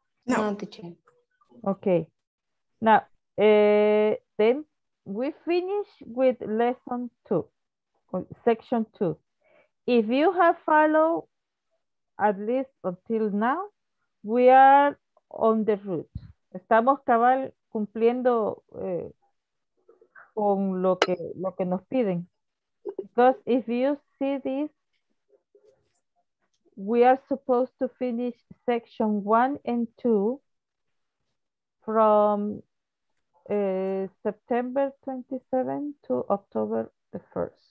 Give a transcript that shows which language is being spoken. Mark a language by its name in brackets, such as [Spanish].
[English] No. Okay. Now, then we finish with lesson two, section two. If you have followed at least until now, we are on the route. [Spanish] Estamos cabal cumpliendo con lo que nos piden. [English] Because if you see this, we are supposed to finish section one and two from September 27 to October the 1st.